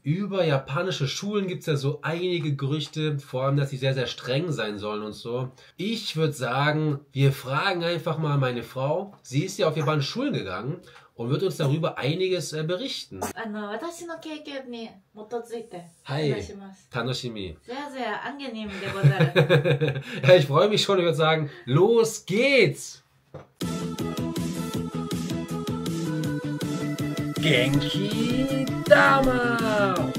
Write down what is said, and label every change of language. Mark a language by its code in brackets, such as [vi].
[de] Über japanische Schulen gibt es ja so einige Gerüchte, vor allem, dass sie sehr, sehr streng sein sollen und so. Ich würde sagen, wir fragen einfach mal meine Frau. Sie ist ja auf japanische Schulen gegangen und wird uns darüber einiges berichten. [ja] 私の経験に基づいて話し [en] Hi, [ja] ます。 Tanoshimi. [de] sehr sehr angenehm [ja] でござる。 [de] Ja, ich freue mich schon, ich würde sagen, los geht's! [ja] Genki Dama!